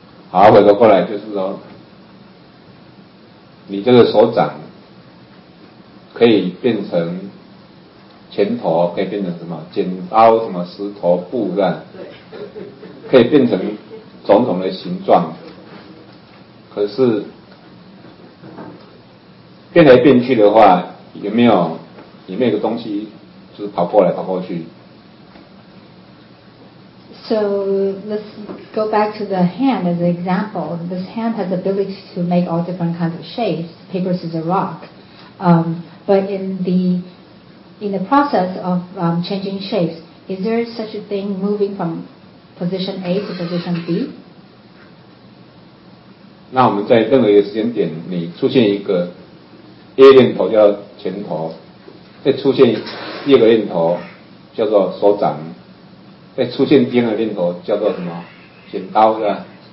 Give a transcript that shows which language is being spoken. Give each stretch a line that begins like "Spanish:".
Chinese: 好，回头过来就是说，你这个手掌可以变成拳头，可以变成什么剪刀、什么石头、布这样，可以变成种种的形状，可是。变来变去的话，有没有个东西，就是跑过来跑过去
English: ？So let's go back to the hand as an example. This hand has ability to make all different kinds of shapes, paper, scissors, rock. But in the process of changing shapes, is there such a thing moving from position A to position B?
Chinese: 那我们在任何一个时间点，你出现一个。A 念头叫拳头，再出现第二个念头叫做手掌，再出现第二个念头叫做什么？剪刀是吧？